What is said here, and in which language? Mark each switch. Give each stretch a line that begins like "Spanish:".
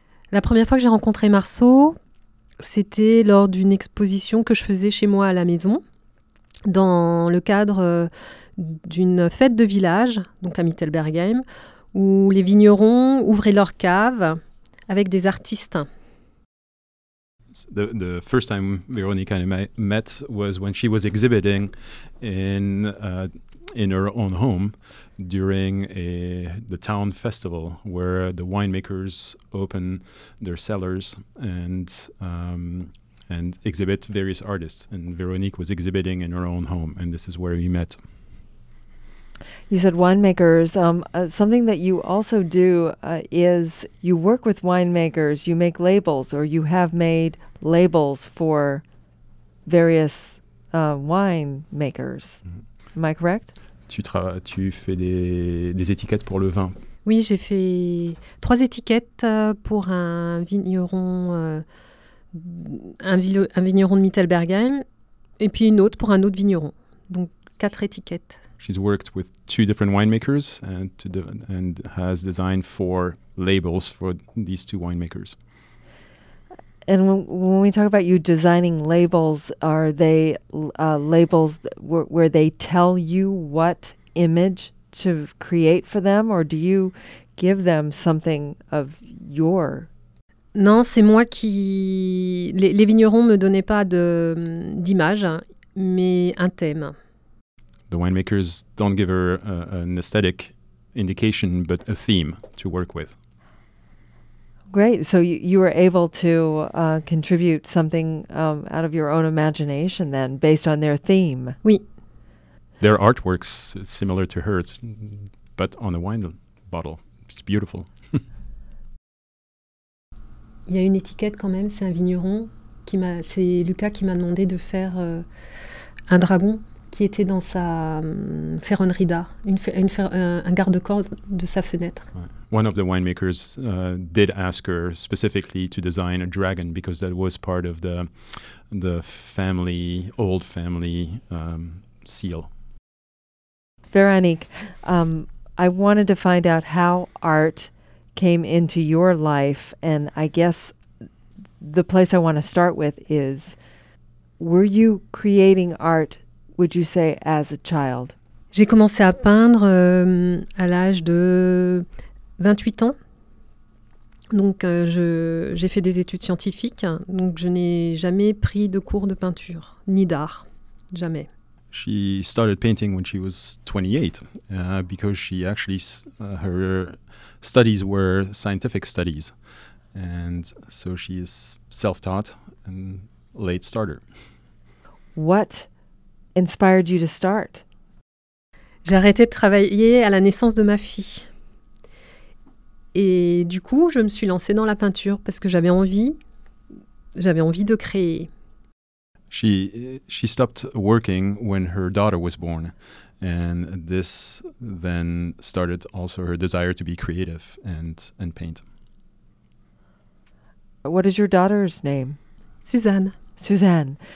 French: La première fois que j'ai rencontré Marceau, c'était lors d'une exposition que je faisais chez moi à la maison, dans le cadre d'une fête de village, donc à Mittelbachheim, où les vignerons ouvraient leurs caves avec des artistes.
English: The first time Véronique and I met was when she was exhibiting in her own home during the town festival where the winemakers open their cellars and exhibit various artists. And Véronique was exhibiting in her own home, and this is where we met. You said winemakers. Something that you also do is you work with winemakers, you make labels, or you have made labels for various winemakers. Am I correct?
French: Tu fais des étiquettes pour le vin. Oui, j'ai fait 3 étiquettes pour un vigneron de Mittelbachheim, et puis une autre pour un autre vigneron. Donc 4 étiquettes.
English: She's worked with 2 different winemakers and has designed 4 labels for these 2 winemakers. And when we talk about you designing labels, are they labels where they tell you what image to create for them, or do you give them something of your?
French: Non, c'est moi qui... Les vignerons me donnaient pas d'image, mais un thème.
English: The winemakers don't give her an aesthetic indication, but a theme to work with. Great. So you were able to contribute something out of your own imagination then, based on their theme.
French: Oui.
English: Their artwork's similar to hers, but on a wine bottle. It's beautiful.
French: Il y a une étiquette quand même, c'est un vigneron. C'est Lucas qui m'a demandé de faire un dragon. Qui était dans sa ferronnerie d'art, un garde-corps de sa fenêtre.
English: One of the winemakers did ask her specifically to design a dragon because that was part of the family, old family seal. Véronique, I wanted to find out how art came into your life, and I guess the place I want to start with is, were you creating art, would you say, as a child?
French: J'ai commencé à peindre à l'âge de 28 ans. Donc, j'ai fait des études scientifiques. Donc, je n'ai jamais pris de cours de peinture, ni d'art. Jamais.
English: She started painting when she was 28, because she actually, her studies were scientific studies. And so she is self-taught and late starter. What inspired you to start?
French: J'ai arrêté de travailler à la naissance de ma fille. Et du coup, je me suis lancée dans la peinture parce que j'avais envie de créer.
English: She stopped working when her daughter was born, and this then started also her desire to be creative and paint. What is your daughter's name? Suzanne. Suzanne.